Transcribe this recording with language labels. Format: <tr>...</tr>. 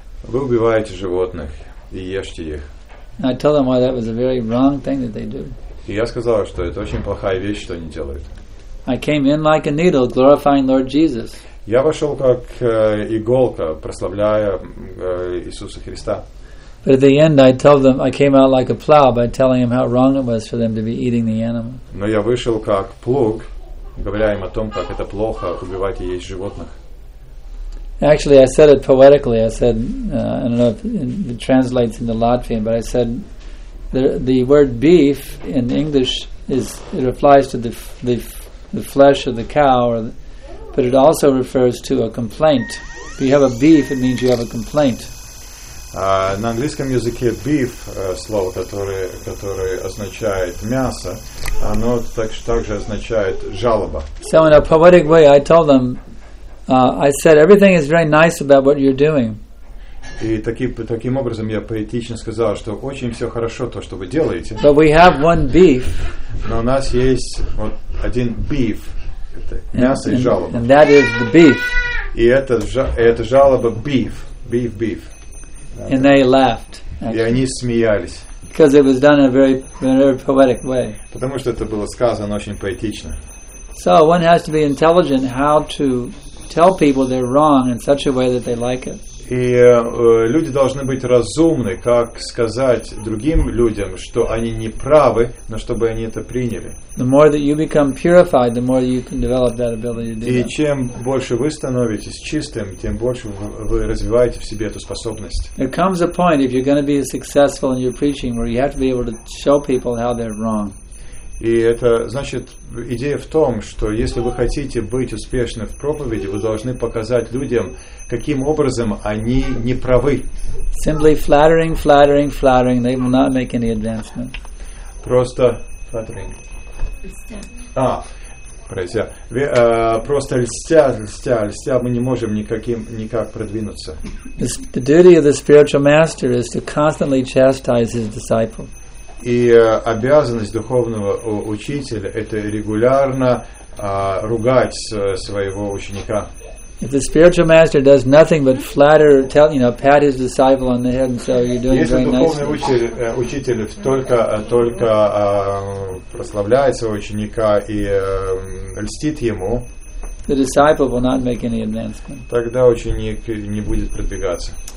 <ru>Вы убиваете животных и ешьте их.</ru> <en>I told them why that was a very wrong thing that they do.</en> <ru>И я сказал, что это очень плохая вещь, что они делают.</ru> <en>I came in like a needle, glorifying Lord Jesus.</en> <ru>Я вошел как иголка, прославляя Иисуса Христа.</ru> <en>But at the end, I told them I came out like a plow by telling them how wrong it was for them to be eating the animals.</en> <ru>Но я вышел как плуг, говоря им о том, как это плохо убивать и есть животных.</ru> <en>Actually, I said it poetically. I said, I don't know if it translates into Latvian, but I said the word beef in English is, it applies to the flesh of the cow, or but it also refers to a complaint. If you have a beef, it means you have a complaint.</en> <ru>На английском языке beef, слово, которое означает мясо, оно также означает жалоба.</ru> <en>So in a poetic way, I told them, I said, everything is very nice about what you're doing.</en> <ru>И таким образом я поэтично сказал, что очень все хорошо то, что вы делаете.</ru> <en>But we have one beef.</en> <ru>Но у нас есть вот один beef, это мясо и жалоба.</ru> <en>And that is the beef.</en> <ru>И это жалоба beef.</ru> <en>And they laughed.</en> <ru>И они смеялись.</ru> <en>Because it was done in a very, very poetic way.</en> <ru>Потому что это было сказано очень поэтично.</ru> <en>So one has to be intelligent how to tell people they're wrong in such a way that they like it.</en> <ru>И люди должны быть разумны, как сказать другим людям, что они не правы, но чтобы они это приняли.</ru> <en>The more that you become purified, the more you can develop that ability to do that.</en> <ru>И чем больше вы становитесь чистым, тем больше вы развиваете в себе эту способность.</ru> <en>There comes a point if you're going to be successful in your preaching where you have to be able to show people how they're wrong.</en> <ru>И это значит, идея в том, что если вы хотите быть успешны в проповеди, вы должны показать людям, каким образом они не правы.</ru> <en>Simply flattering, they will not make any advancement.</en> <ru>Просто flattering. А, простите. Просто льстя, мы не можем никак продвинуться.</ru> <en>The duty of the spiritual master is to constantly chastise his disciple.</en> <ru>И обязанность духовного учителя это регулярно ругать своего ученика.</ru> <en>If the spiritual master does nothing but flatter, tell, you know, pat his disciple on the head and say, "You're doing very nicely."</en> <ru>Если духовный учитель только прославляет своего ученика и льстит ему,</ru> <en>the disciple will not make any advancement.</en> <ru>Тогда ученик не будет продвигаться.</ru>